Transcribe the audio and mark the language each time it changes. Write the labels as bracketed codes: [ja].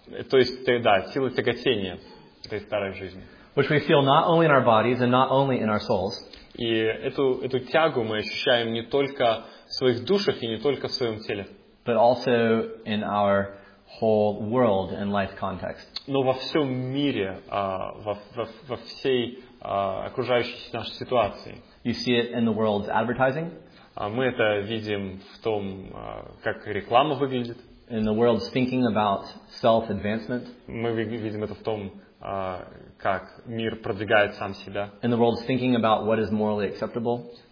[ru] То есть, да, сила тяготения этой старой жизни. [en] Which we feel not only in our bodies and not only in our souls. [ru] И эту тягу мы ощущаем не только в своих душах и не только в своем теле. [en] But also in our whole world and life context. [ru] Но во всем мире, во всей окружающей нашей ситуации. [en] You see it in the world's advertising. [ru] Мы это видим в том, как реклама выглядит. [en] In the world's thinking about self-advancement. [ru] Мы видим это в том, как мир продвигает сам себя. [en] In the world's thinking about what is morally acceptable.